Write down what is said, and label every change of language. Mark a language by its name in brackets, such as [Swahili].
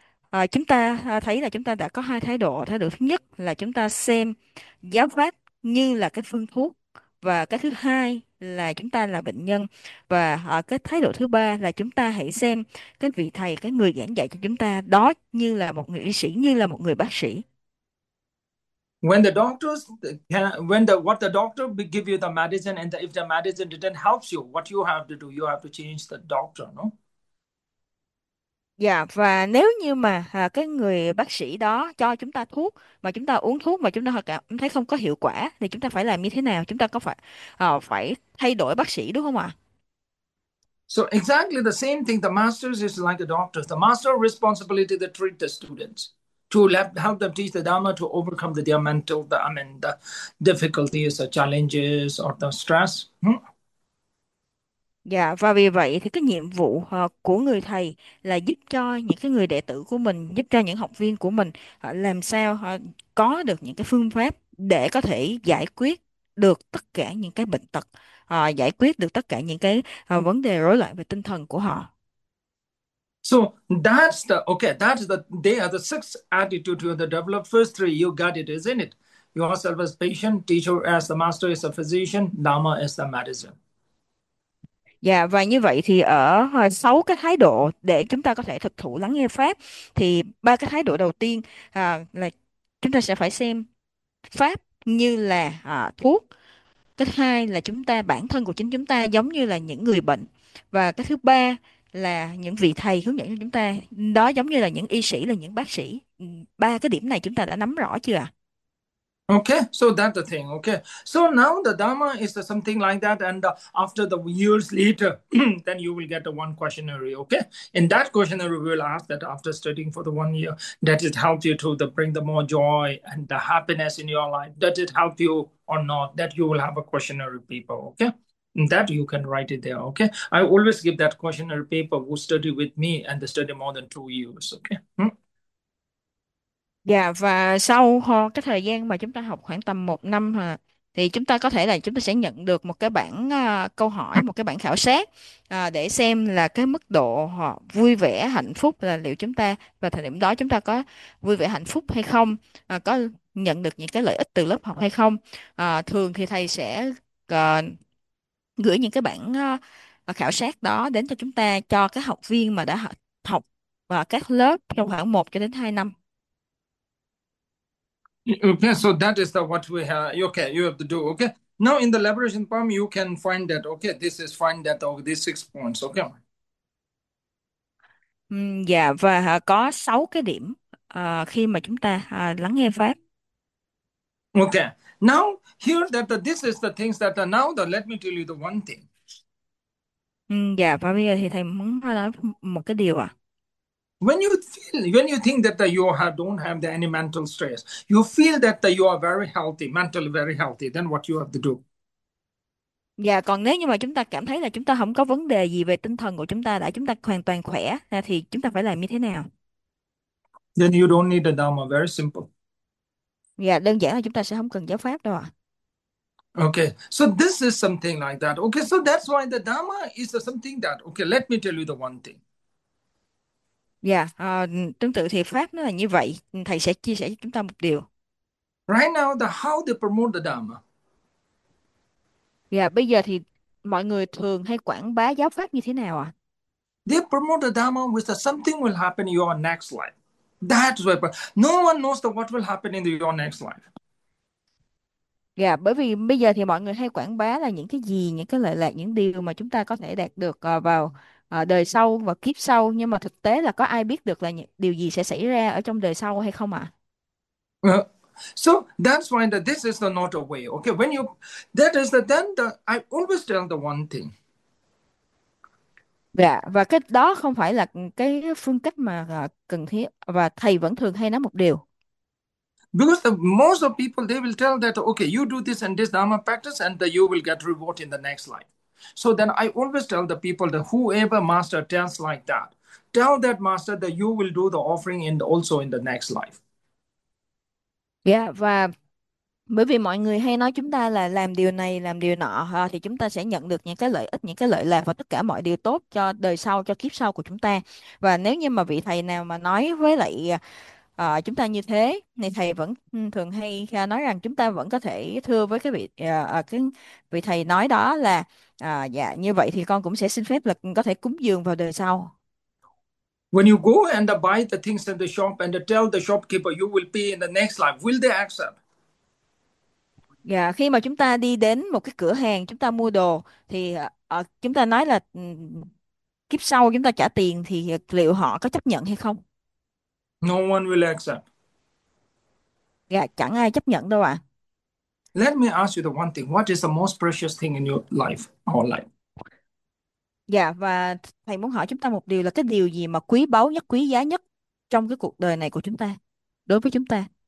[Vietnamese] Và chúng ta thấy là chúng ta đã có hai thái độ. Thái độ thứ nhất là chúng ta xem giáo pháp như là cái phương thuốc, và cái thứ hai là chúng ta là bệnh nhân, và cái thái độ thứ ba là chúng ta hãy xem cái vị thầy, cái người giảng dạy cho chúng ta đó như là một người y sĩ, như là một người bác sĩ. [English] When the doctors, when the what the doctor give you the medicine, and if the medicine didn't helps you, what you have to do? You have to change the doctor, no? [Vietnamese] Dạ, và nếu như mà cái người bác sĩ đó cho chúng ta thuốc mà chúng ta uống thuốc mà chúng ta cảm thấy không có hiệu quả, thì chúng ta phải làm như thế nào? Chúng ta có phải phải thay đổi bác sĩ đúng không ạ? [English] So exactly the same thing. The masters is like the doctors. The master responsibility to treat the students. To help them teach the Dharma to overcome their mental, the difficulties, the challenges, or the stress. [Vietnamese] Dạ, và vì vậy thì cái nhiệm vụ của người thầy là giúp cho những cái người đệ tử của mình, giúp cho những học viên của mình làm sao họ có được những cái phương pháp để có thể giải quyết được tất cả những cái bệnh tật, giải quyết được tất cả những cái vấn đề rối loạn về tinh thần của họ. [English] So that's the okay. That's the they are the six attitudes you have to develop. First three, you got it, isn't it? Yourself as patient, teacher as the master is a physician, Dharma is the medicine. [Vietnamese] Dạ, và như vậy thì ở 6 cái thái độ để chúng ta có thể thực thụ lắng nghe pháp, thì ba cái thái độ đầu tiên là chúng ta sẽ phải xem pháp như là thuốc. Cái hai là chúng ta bản thân của chính chúng ta giống như là những người bệnh. Và cái thứ ba là những vị thầy hướng dẫn cho chúng ta đó giống như là những y sĩ, là những bác sĩ. Ba cái điểm này chúng ta đã nắm rõ chưa ạ? [English] Okay, so that's the thing. Okay, so now the Dharma is something like that, and after the years later, then you will get the one questionnaire. Okay, in that questionnaire, we will ask that after studying for the 1 year, does it help you to the bring the more joy and the happiness in your life? Does it help you or not? That you will have a questionnaire paper. Okay, and that you can write it there. Okay, I always give that questionnaire paper who study with me and they study more than 2 years. Okay. [Vietnamese] Dạ, và sau cái thời gian mà chúng ta học khoảng tầm 1 năm thì chúng ta có thể là chúng ta sẽ nhận được một cái bảng câu hỏi, một cái bảng khảo sát để xem là cái mức độ họ vui vẻ hạnh phúc, là liệu chúng ta vào thời điểm đó chúng ta có vui vẻ hạnh phúc hay không, có nhận được những cái lợi ích từ lớp học hay không. Thường thì thầy sẽ gửi những cái bảng khảo sát đó đến cho chúng ta, cho các học viên mà đã học các lớp trong khoảng 1 cho đến 2 năm. [English] Okay, so that is the what we have. Okay, you have to do. Okay, now in the liberation poem, you can find that. Okay, this is find that of these 6 points. Okay. [Vietnamese] Dạ, và có 6 cái điểm khi mà chúng ta lắng nghe pháp. [English] Okay. Now here that this is the things that are now the let me tell you the one thing. [Vietnamese] Dạ, và bây giờ thì thầy muốn nói một cái điều ạ. [English] When you think that you have, don't have any mental stress, you feel that you are very healthy, mentally very healthy, then what you have to do? [Vietnamese] Dạ, còn nếu như mà chúng ta cảm thấy là chúng ta không có vấn đề gì về tinh thần của chúng ta, đã chúng ta hoàn toàn khỏe, thì chúng ta phải làm như thế nào? [English] Then you don't need a Dharma, very simple. [Vietnamese] Dạ, đơn giản là chúng ta sẽ không cần giáo pháp đâu ạ. [English] Okay, so this is something like that. Okay, so that's why the Dharma is something that, okay, let me tell you the one thing. [Vietnamese] Dạ, tương tự thì pháp nó là như vậy. Thầy sẽ chia sẻ cho chúng ta một điều. [English] Right now, the how they promote the Dharma. [Vietnamese] Dạ, bây giờ thì mọi người thường hay quảng bá giáo pháp như thế nào ạ? [English] They promote the Dharma with the something will happen in your next life. That's why, but no one knows the what will happen in your next life. [Vietnamese] Dạ, bởi vì bây giờ thì mọi người hay quảng bá là những cái gì, những cái lợi lạc, những điều mà chúng ta có thể đạt được vào đời sau và kiếp sau, nhưng mà thực tế là có ai biết được là điều gì sẽ xảy ra ở trong đời sau hay không ạ? À? [English] So that's why that this is the not a way. Okay, when you that is the then the I always tell the one thing. [Vietnamese] Dạ, và cái đó không phải là cái phương cách mà cần thiết, và thầy vẫn thường hay nói một điều. [English] Because the most of people they will tell that okay, you do this and this Dharma practice and you will get reward in the next life. So then I always tell the people that whoever master tells like that, tell that master that you will do the offering in the, also in the next life. [Vietnamese] Yeah, và bởi vì mọi người hay nói chúng ta là làm điều này làm điều nọ thì chúng ta sẽ nhận được những cái lợi ích, những cái lợi lạc và tất cả mọi điều tốt cho đời sau, cho kiếp sau của chúng ta. Và nếu như mà vị thầy nào mà nói với lại chúng ta như thế thì thầy vẫn thường hay nói rằng chúng ta vẫn có thể thưa với cái vị thầy nói đó là dạ như vậy thì con cũng sẽ xin phép là có thể cúng dường vào đời sau. [English] When you go and buy the things at the shop and tell the shopkeeper you will pay in the next life, will they accept? [Vietnamese] Yeah, khi mà chúng ta đi đến một cái cửa hàng chúng ta mua đồ thì chúng ta nói là kiếp sau chúng ta trả tiền thì liệu họ có chấp nhận hay không? [English] No one will accept. [Vietnamese] Dạ, chẳng ai chấp nhận đâu ạ. À. [English] Let me ask you the one thing. What is the most precious thing in your life, our life? [Vietnamese] Dạ, và thầy muốn hỏi chúng ta một điều là cái điều gì mà quý báu nhất, quý giá nhất trong cái cuộc đời này của chúng ta, đối với chúng ta?